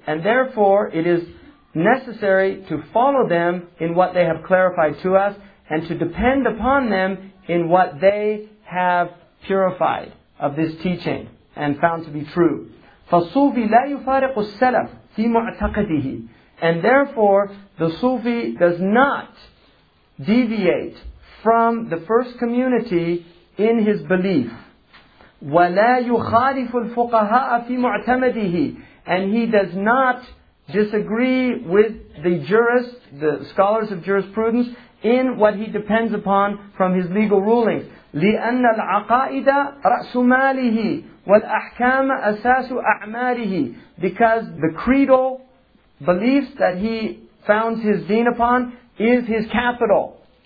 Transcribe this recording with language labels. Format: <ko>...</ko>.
<en>And therefore, it is necessary to follow them in what they have clarified to us and to depend upon them in what they have purified of this teaching and found to be true.</en> <ar>فَالصُّوفِ لَا يُفَارِقُ السَّلَفِ فِي مُعْتَقَدِهِ.</ar> <en>And therefore, the Sufi does not deviate from the first community in his belief.</en> <ar>وَلَا يُخَالِفُ الْفُقَهَاءَ فِي مُعْتَمَدِهِ.</ar> <en>And he does not disagree with the jurist, the scholars of jurisprudence, in what he depends upon from his legal rulings.</en> <ar>لِأَنَّ الْعَقَائِدَ رَأْسُ مَالِهِ وَالْأَحْكَامَ أَسَاسُ أَعْمَالِهِ.</ar> <en>Because the creedal beliefs that he founds his deen upon is his capital.</en>